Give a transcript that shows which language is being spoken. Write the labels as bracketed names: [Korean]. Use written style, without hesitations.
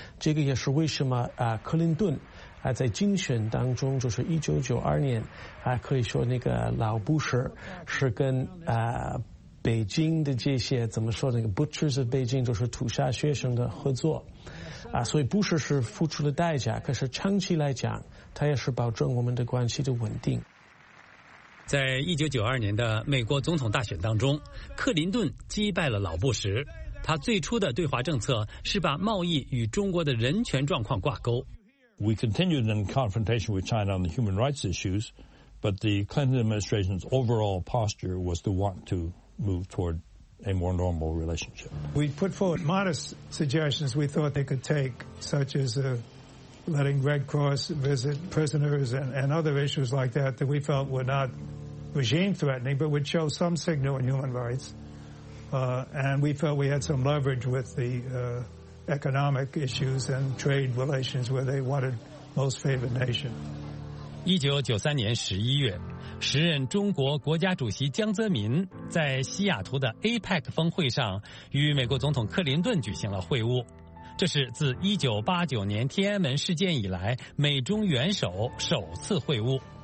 [Chinese] 这个也是为什么克林顿在竞选当中，就是1992年可以说那个老布什是跟北京的这些怎么说那个 [English] Butchers of Beijing [Chinese] 就是屠杀学生的合作所以布什是付出了代价，可是长期来讲他也是保证我们的关系的稳定。在1992年的美国总统大选当中，克林顿击败了老布什，他最初的对华政策是把贸易与中国的人权状况挂钩。 [English] We continued in confrontation with China on the human rights issues, but the Clinton administration's overall posture was to want to move toward a more normal relationship. We put forward modest suggestions we thought they could take, such as letting Red Cross visit prisoners and other issues like that that we felt were not regime threatening, but would show some signal in human rights. And we felt we had some leverage with the economic issues and trade relations where they wanted most favored nation. [Chinese] 1993年11月，时任中国国家主席江泽民在西雅图的 APEC 峰会上与美国总统克林顿举行了会晤。这是自1989年天安门事件以来美中元首首次会晤。